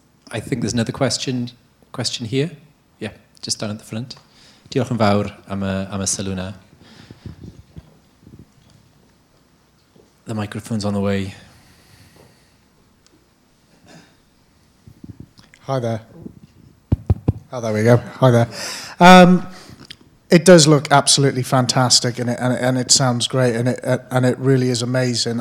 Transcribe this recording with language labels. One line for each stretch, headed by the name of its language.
English: I think there's another question here. Yeah, just down at the front.
Welsh: Diolch yn fawr am y sylw yna.
English: The microphone's on the way. Hi there. Oh, there we go. Hi there. It does look absolutely fantastic, and it sounds great, and it really is amazing.